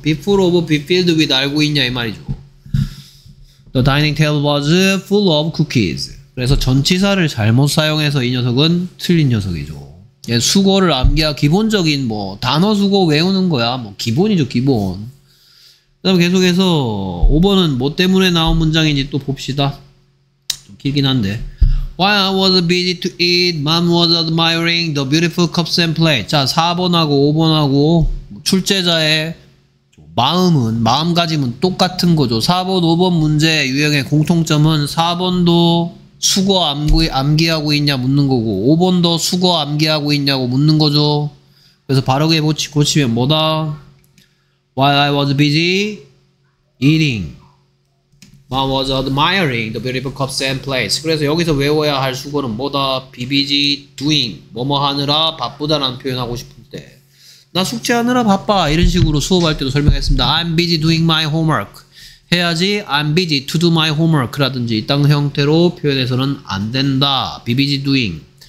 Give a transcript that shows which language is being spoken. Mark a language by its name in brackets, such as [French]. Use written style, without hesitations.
[English] be full of, be filled with [Korean] 알고 있냐, 이 말이죠. [English] The dining table was full of cookies. [Korean] 그래서 전치사를 잘못 사용해서 이 녀석은 틀린 녀석이죠. 예, 수거를 암기야 기본적인 뭐 단어 수거 외우는 거야 뭐 기본이죠, 기본. 그다음 계속해서 5번은 뭐 때문에 나온 문장인지 또 봅시다. 좀 길긴 한데. [English] While I was busy to eat, mom was admiring the beautiful cups and plates. [Korean] 자, 4번하고 5번하고 출제자의 마음은, 마음가짐은 똑같은 거죠. 4번, 5번 문제 유형의 공통점은 4번도 수거 암기하고 있냐 묻는 거고, 5번도 수거 암기하고 있냐고 묻는 거죠. 그래서 바르게 고치면 뭐다? [English] While I was busy eating, mom was admiring the beautiful cups and plates. [Korean] 그래서 여기서 외워야 할 수거는 뭐다? Be busy doing, 뭐뭐 하느라 바쁘다라는 표현하고 싶을 때. 나 숙제하느라 바빠, 이런 식으로 수업할 때도 설명했습니다. [English] I'm busy doing my homework [Korean] 해야지 [English] I'm busy to do my homework [Korean] 라든지 이딴 형태로 표현해서는 안 된다. [English] Be busy doing.